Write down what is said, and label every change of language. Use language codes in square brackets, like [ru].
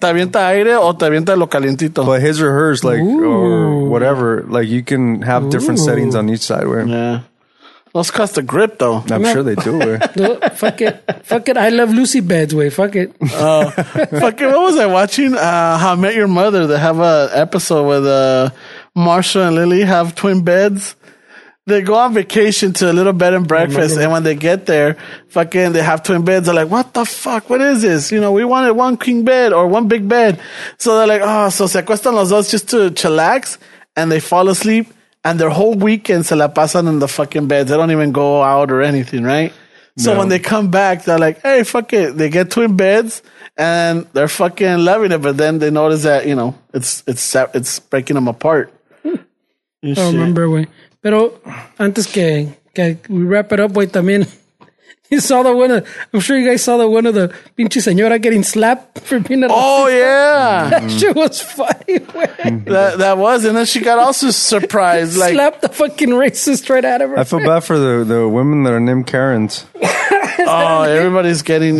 [es] ¿Te avienta aire o te avienta lo calientito? [en] But his or hers, like, ooh, or whatever, like you can have different settings on each side. Where, yeah. Those cost a grip, though. I'm sure they do. Fuck it. I Love Lucy beds, way. Fuck it. Fuck it. What was I watching? How I Met Your Mother. They have an episode where Marsha and Lily have twin beds. They go on vacation to a little bed and breakfast. And when they get there, fucking, they have twin beds. They're like, what the fuck? What is this? You know, we wanted one king bed or one big bed. So they're like, oh, so [es] se acuestan los dos [en] just to chillax. And they fall asleep. And their whole weekend [es] se la pasan [en] in the fucking beds. They don't even go out or anything, right? So when they come back, they're like, hey, fuck it. They get twin beds and they're fucking loving it. But then they notice that, you know, it's breaking them apart. I remember, güey. [es] Pero antes que [en] we wrap it up, [es] güey, también. [en] You saw the one. I'm sure you guys saw the one of the [es] pinche señora [en] getting slapped for being a. Oh yeah, that shit was funny. That was, and then she got also surprised, like slapped the fucking racist right out of her. I feel bad for the women that are named Karens. Everybody's getting